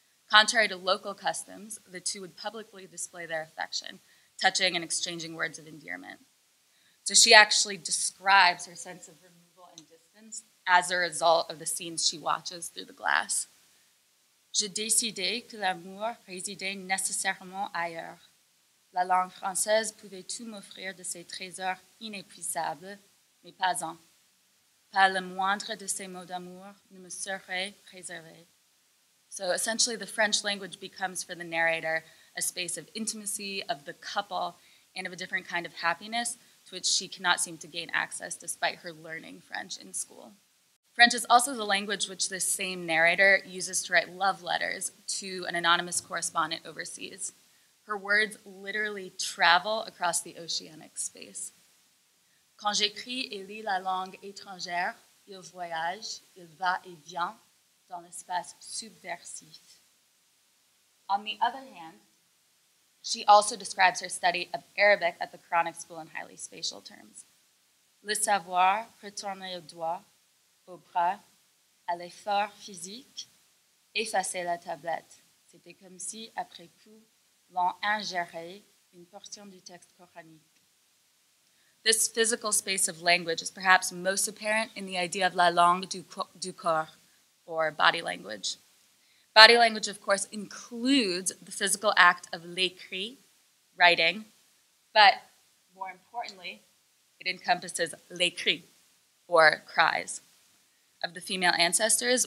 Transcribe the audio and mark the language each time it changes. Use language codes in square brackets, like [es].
[en] Contrary to local customs, the two would publicly display their affection, touching and exchanging words of endearment. So she actually describes her sense of removal and distance as a result of the scenes she watches through the glass. [fr] Je décidais que l'amour résidait nécessairement ailleurs. La langue française pouvait tout m'offrir de ses trésors inépuisables, mais pas un. Pas le moindre de ces mots d'amour ne me serait réservé. [en] So essentially, the French language becomes for the narrator a space of intimacy, of the couple, and of a different kind of happiness to which she cannot seem to gain access despite her learning French in school. French is also the language which this same narrator uses to write love letters to an anonymous correspondent overseas. Her words literally travel across the oceanic space. [fr] Quand j'écris et lis la langue étrangère, il voyage, il va et vient dans l'espace subversif. [en] On the other hand, she also describes her study of Arabic at the Quranic school in highly spatial terms. [fr] Le savoir retourner le doigt au bras, à l'effort physique, effacer la tablette. C'était comme si, après coup, l'on ingérait une portion du texte coranique. [en] This physical space of language is perhaps most apparent in the idea of [fr] la langue du corps, [en] or body language. Body language, of course, includes the physical act of l'écrit, writing, but more importantly, it encompasses les cris, or cries, of the female ancestors.